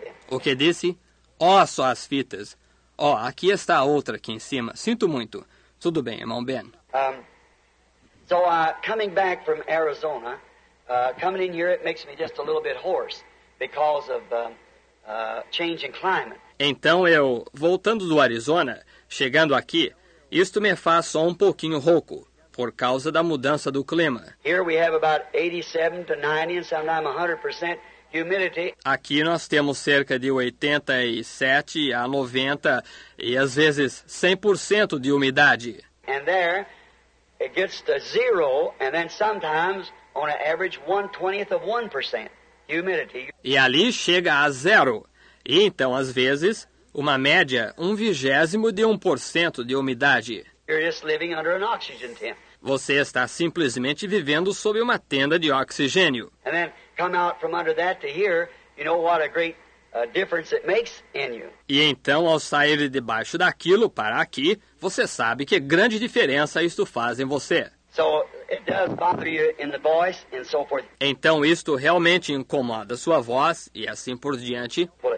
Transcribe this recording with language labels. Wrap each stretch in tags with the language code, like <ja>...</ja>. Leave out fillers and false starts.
<pt>O que disse? Ó, oh, só as fitas. Ó, oh, aqui está a outra aqui em cima. Sinto muito. Tudo bem, irmão Ben.</pt> <en>So coming back from Arizona, coming in here, it makes me just a little bit hoarse because of change in climate.</en> <pt>Então eu voltando do Arizona, chegando aqui, isto me faz só um pouquinho rouco por causa da mudança do clima.</pt> <en>Here we have about 87 to 90 and sometimes 100% humidity.</en> <pt>Aqui nós temos cerca de 87 a 90 e às vezes 100% de umidade.</pt> <en>And there it gets to zero, and then sometimes on an average 1/20 of 1% humidity.</en> <pt>E ali chega a zero. E então, às vezes, uma média 1/20 de 1% de umidade.</pt> <en>You're just living under an oxygen tent.</en> <pt>Você está simplesmente vivendo sob uma tenda de oxigênio.</pt> <en>And then come out from under that to here, you know what a great difference it makes in you.</en> <pt>E então, ao sair de debaixo daquilo para aqui, você sabe que grande diferença isto faz em você.</pt> <en>So it does bother you in the voice and so forth.</en> <pt>Então isto realmente incomoda sua voz e assim por diante.</pt>